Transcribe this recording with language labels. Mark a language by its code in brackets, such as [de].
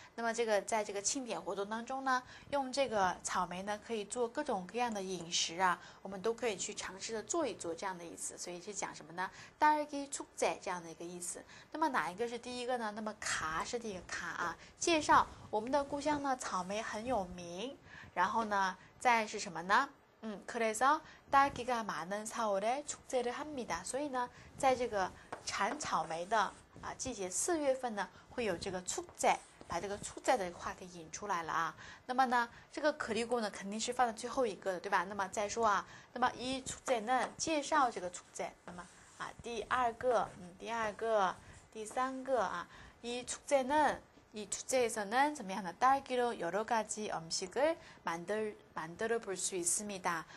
[zh] 那么这个在这个庆典活动当中呢，用这个草莓呢，可以做各种各样的饮食啊，我们都可以去尝试着做一做这样的意思。所以是讲什么呢？ 딸기축제这样的一个意思。那么哪一个是第一个呢？那么卡是第一个卡啊，介绍我们的故乡呢，草莓很有名。然后呢，再是什么呢？ [ko] 그래서딸기가많은4월에축제를합니다。 [zh] 所以呢，在这个产草莓的啊季节四月份呢，会有这个축제，把这个축제的话题引出来了啊。那么呢，这个그리고呢肯定是放在最后一个的，对吧？那么再说啊，那么이축제는介绍这个축제，那么啊第二个，第二个，第三个啊， [ko] 이축제는이축제에서는 [zh] 怎么样的 [ko] 딸기로여러가지음식을만들어볼수있습니다。